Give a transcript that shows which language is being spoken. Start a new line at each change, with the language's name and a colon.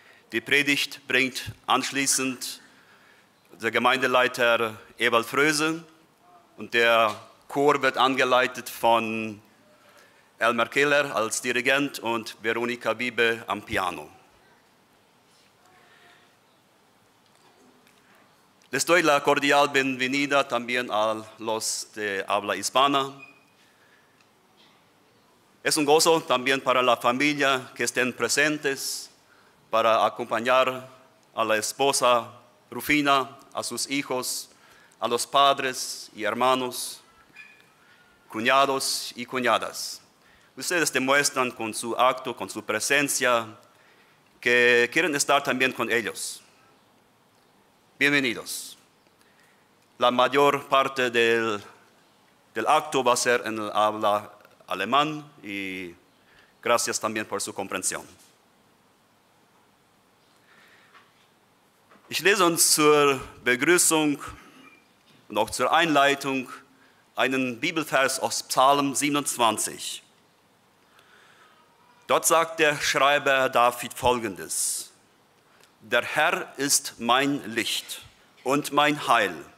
German: Die Predigt bringt anschließend der Gemeindeleiter Ewald Fröse und der Chor wird angeleitet von Elmar Keller als Dirigent und Veronika Biebe am Piano.
Spanish: Les doy la cordial bienvenida también a los de habla hispana. Es un gozo también para la familia que estén presentes para acompañar a la esposa Rufina, a sus hijos, a los padres y hermanos, cuñados y cuñadas. Ustedes demuestran con su acto, con su presencia, que quieren estar también con ellos. Bienvenidos. La mayor parte del acto va a ser en el habla alemán y gracias también por su comprensión.
German: Ich lese uns zur Begrüßung und auch zur Einleitung einen Bibelvers aus Psalm 27. Dort sagt der Schreiber David Folgendes: Der Herr ist mein Licht und mein Heil.